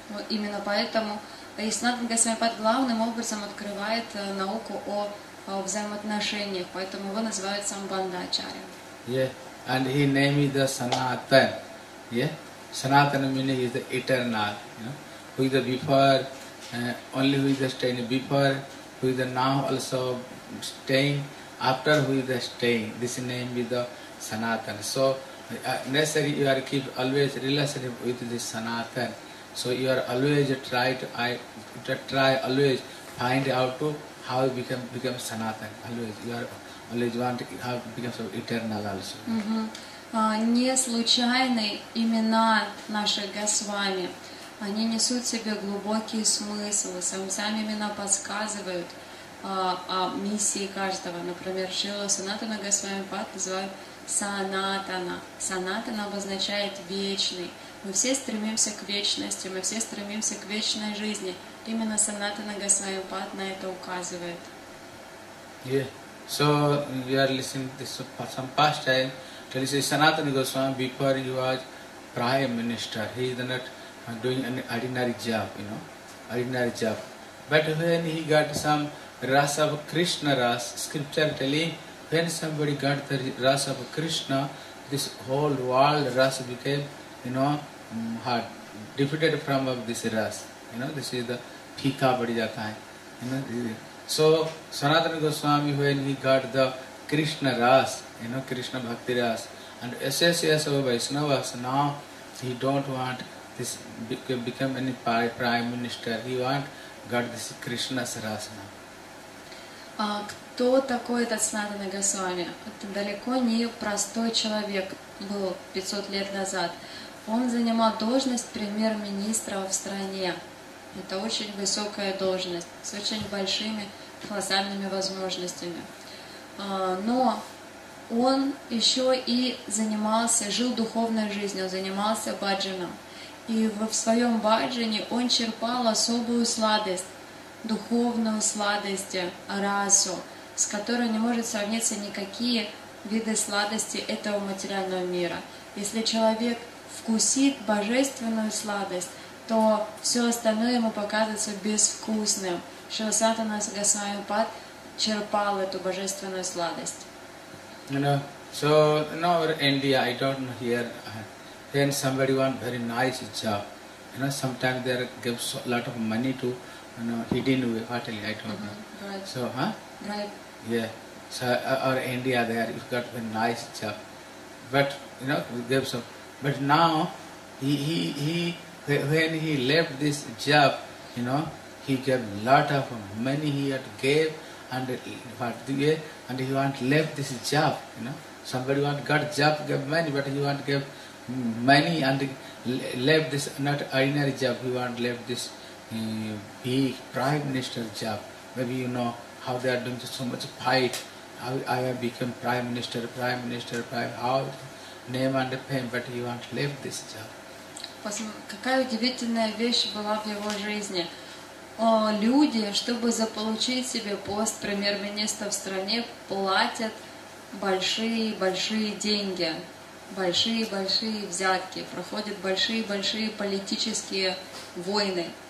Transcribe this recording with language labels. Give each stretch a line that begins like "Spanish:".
Russian: Именно поэтому и Санатана Госвами Пад главным образом открывает науку о взаимоотношениях, поэтому его называют Самбанда Ачарья.
English: Yeah, and he name is the Sanatan. Yeah, Sanatan meaning is the eternal, you know, who is the before, only who is the staying before, who is the now also staying, after who is the staying, this name is the Sanatan. So, necessary you are keep always relationship with this Sanatan. So you are always try to find out to how you become Sanatan, always. You are always want to have become eternal also.
Russian: Не случайные имена наших Госвами. Они несут в себе глубокий смысл. Сами имена подсказывают о миссии каждого. Например, Шрила Санатана Госвами Пад называют Санатана. Санатана обозначает вечный. Мы все стремимся к вечности, мы все стремимся к вечной жизни. Именно Санатана Госвами Пад на это указывает.
English: Yeah. So we are listening to this some past time. Tell you, Sanatana Goswami, before he was Prime Minister, he is not doing an ordinary job, you know, ordinary job. But when he got some rasa of Krishna rasa, scripture telling When somebody got the rasa of Krishna, this whole world rasa became, you know, hard, defeated from of this rasa. You know, this is the
Hindi: phika badi jata hai.
English: You know, so Sanatana Goswami, when he got the Krishna rasa, you know, Krishna bhakti rasa, and SSS of Vaishnavas, now he don't want this become any prime minister. He want got this Krishna's rasa now.
Russian: Кто такой этот Санатана Госвами? Это далеко не простой человек был 500 лет назад. Он занимал должность премьер-министра в стране. Это очень высокая должность, с очень большими колоссальными возможностями. Но он еще и занимался, жил духовной жизнью, занимался баджаном. И в своем баджане он черпал особую сладость, духовную сладость, расу, с которой не может сравниться никакие виды сладости этого материального мира. Если человек вкусит божественную сладость, то все остальное ему показывается безвкусным. Шрила Санатана Госвами Пад черпал эту божественную сладость.
English: You know, so now in India, I don't know here, when somebody want very nice job, you know, sometimes they give a lot of money to, you know, hidden way, hardly, I don't know. Right. So, huh? Right. Yeah, so or India there, you've got a nice job, but you know, gives up. But now, when he left this job, you know, he gave lot of money he had gave, and what do you? And he want left this job, you know. Somebody want got job, gave money, but he want gave money and left this not ordinary job. He want left this be prime minister job. Maybe you know how they are doing so much fight. I have become prime minister, prime all name and fame, but he want left this job.
Russian: Какая удивительная вещь была в его жизни. Люди, чтобы заполучить себе пост премьер-министра в стране, платят большие-большие деньги, большие-большие взятки, проходят большие-большие политические войны.